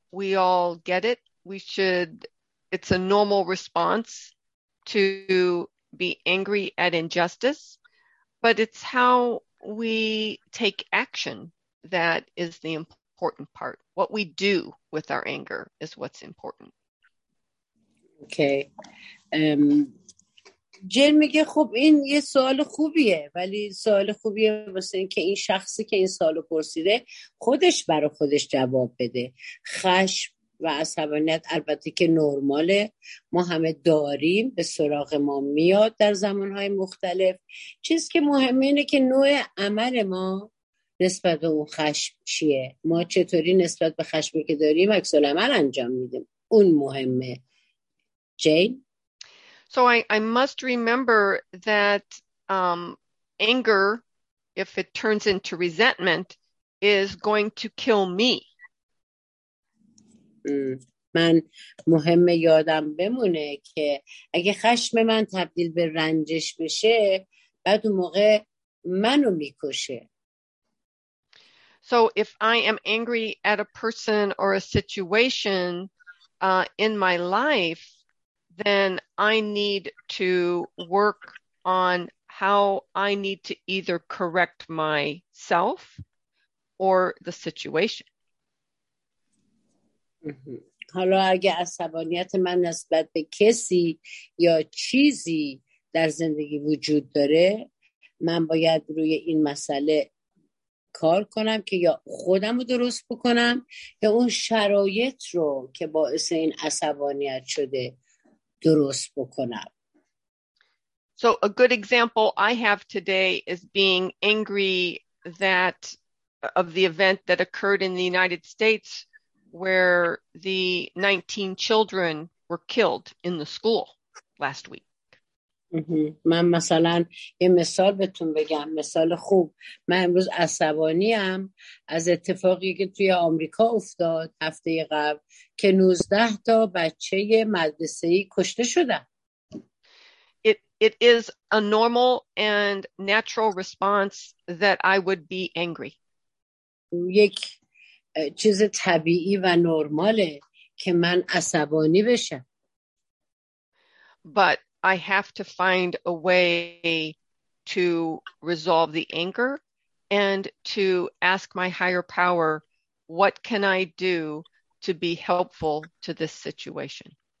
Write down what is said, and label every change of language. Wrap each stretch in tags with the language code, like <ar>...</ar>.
<en>We all get it. It's a normal response to be angry at injustice, but it's how we take action that is the important part. What we do with our anger is what's important. Okay.</en> <fa>جن میگه خب این یه سوال خوبیه، ولی سوال خوبیه واسه این که این شخصی که این سوالو پرسیده خودش برای خودش جواب بده. خشم و عصبانیت البته که نرماله، ما همه داریم، به سراغ ما میاد در زمانهای مختلف. چیز که مهمه اینه که نوع عمل ما نسبت به اون خشم چیه، ما چطوری نسبت به خشمی که داریم عکس العمل انجام میدیم، اون مهمه. جین،</fa> <en>So I must remember that anger, if it turns into resentment, is going to kill me.</en> <fa>من مهمه یادم بمونه که اگه خشم من تبدیل به رنجش بشه، بعد اون موقع منو میکشه.</fa> <en>So if I am angry at a person or a situation in my life, then I need to work on how I need to either correct myself or the situation.</en> <fa>حالا اگه عصبانیت من نسبت به کسی یا چیزی در زندگی وجود داره، من باید روی این مسئله کار کنم که یا خودم رو درست بکنم یا اون شرایط رو که باعث این عصبانیت شده درست بکنم.</fa> <en>So a good example I have today is being angry that of the event that occurred in the United States where the 19 children were killed in the school last week.</en> <fa>من مثلا یه مثال بهتون بگم، مثال خوب. من امروز عصبانیم از اتفاقی که توی آمریکا افتاد هفته قبل که 19 تا بچه مدرسه‌ای کشته شده.</fa> <en>It is a normal and natural response that I would be angry.</en> <fa>یک چیز طبیعی و نرماله که من عصبانی بشم.</fa> <en>But I have to find a way to resolve the anger and to ask my higher power, what can I do to be helpful to this situation?</en>